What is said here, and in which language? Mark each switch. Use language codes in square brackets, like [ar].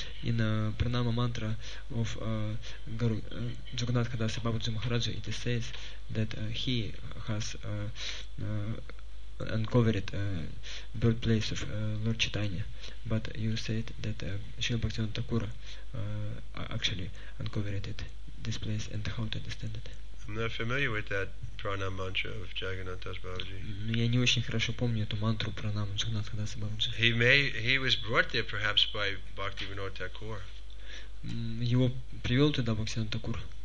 [ru] И на пранама мантра [en] of Джагнатха Даса Бабаджи Махараджа, it is says that he has uncovered birthplace of Lord Chaitanya, but you said that Śrīla Bhaktivinoda Thakura actually uncovered it, this place, and how to understand it. I'm not familiar with that pranam mantra of Jagannath Das Babaji. [ru] Я не очень хорошо помню эту мантру пранам Джагнатха Даса Бабаджи. [en] He was brought there perhaps by Bhaktivinoda Thakur. [ru] Его привел туда Бхактивинода Такур.